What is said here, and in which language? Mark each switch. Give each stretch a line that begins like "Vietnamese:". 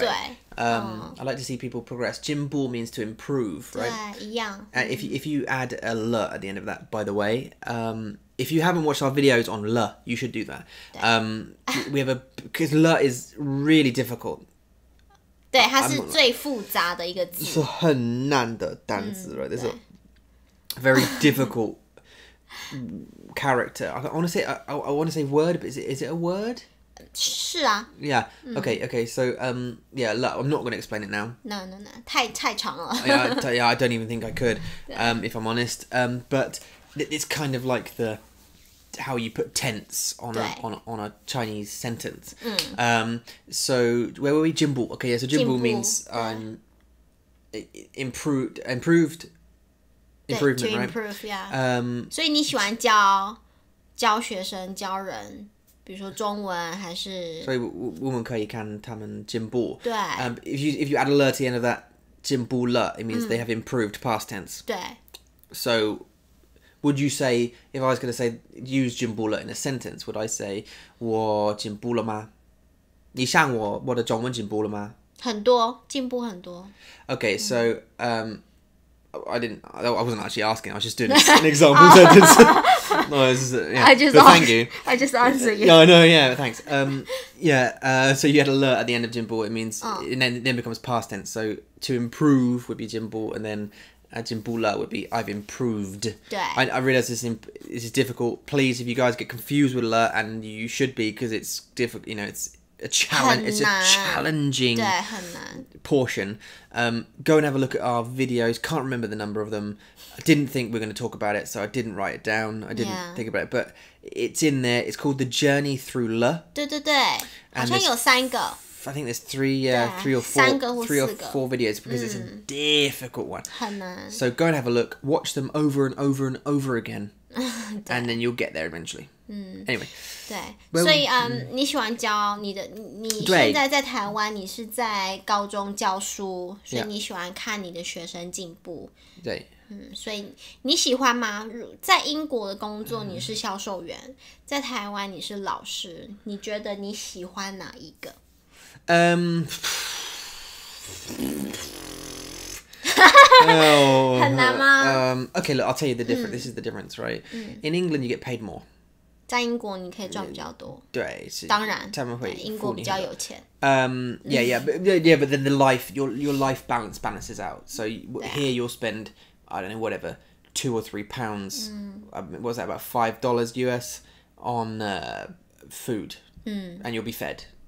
Chinese: 对
English: I like to see people progress. 进步 means to improve, right?
Chinese: 对，一样。
English: If you add a le at the end of that, by the way, if you haven't watched our videos on le, you should do that. We have a... Because le is really difficult.
Chinese: 对，它是最复杂的一个字，是很难的单字了。这是
English: very difficult character. I want to say word, but is it a word?
Chinese: 是啊。
English: Yeah. Okay. So yeah. Look, I'm not going to explain it now.
Chinese: No. 太长了。
English: yeah. I don't even think I could. If I'm honest. But it's kind of like the how you put tense on a Chinese sentence. So where were we? Jinbu. Okay. Yeah. So jinbu means improved. Improvement, to improve, right? Yeah.
Chinese: 所以你喜欢教学生教人，比如说中文还是？所以我们可以看他们进步。对。
English: If you add a 了 to the end of that, 进步了 it means they have improved past tense.
Chinese: 对。
English: So, would you say if I was going to say use 进步了 in a sentence, would I say
Chinese: 我进步了吗？你像我的中文进步了吗？很多进步很多。
English: Okay, so. I wasn't actually asking. I was just doing an example sentence. No, it's, yeah. Thank you. I just answered you. No, I know. Yeah, thanks. So you had a le at the end of jinbu. It means, and then it becomes past tense. So to improve would be jinbu, and then jinbu le would be I've improved. I realize this is difficult. Please, if you guys get confused with le, and you should be, because it's difficult. You know, it's a challenge. It's a challenging.
Chinese: 对，很难。Portion.
English: Go and have a look at our videos. Can't remember the number of them. I didn't think we were going to talk about it, so I didn't write it down. I didn't think about it, but it's in there. It's called The Journey Through Le.
Chinese: 对对对，好像有三个。
English: I think there's three or four videos because it's a difficult one.
Chinese: 很难。
English: So go and have a look. Watch them over and over and over again. And then you'll get there eventually. Anyway.
Chinese: 对， well, 所以你喜欢教你的，你现在在台湾，你是在高中教书，所以你喜欢看你的学生进步。对。所以你喜欢吗？在英国的工作你是销售员，在台湾你是老师，你觉得你喜欢哪一个？
English: okay, look, I'll tell you the difference. This is the difference, right? In England, you get paid more.
Chinese: 在英国你可以赚比较多。对，当然，他们会英国比较有钱。
English: But then the life, your life balances out. So here you'll spend, I don't know, whatever, £2 or £3. What was that, about $5 US on food, and you'll be fed.